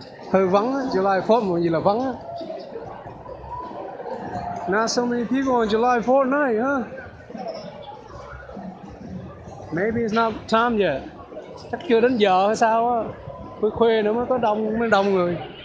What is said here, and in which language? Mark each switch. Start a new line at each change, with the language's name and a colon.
Vietnamese: Hơi vắng, July 4th mọi người là vắng.
English: Not so many people on July 4th night, huh? Maybe it's not time yet.
Vietnamese: Chắc chưa đến giờ hay sao á. Khuê nữa mới có đông, mới đông người.